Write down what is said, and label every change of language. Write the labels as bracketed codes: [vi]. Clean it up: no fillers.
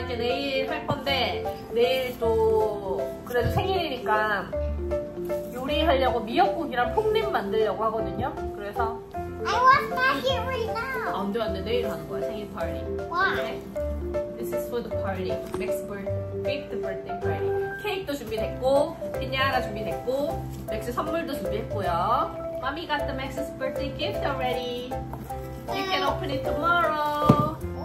[ko] 이제 내일 할 건데, 내일 또 그래도 생일이니까 요리하려고 미역국이랑 폭립 만들려고 하거든요. 그래서 [en] I want my favorite now. [ko] 안 돼, 안 돼. 내일 하는 거야, 생일 파티. [en] Why? This is for the party. Max's fifth birthday party. [ko] 케이크도 준비됐고, 피냐라 준비됐고, 맥스 선물도 준비했고요. [en] Mommy got the Max's birthday gift already. You can open it tomorrow.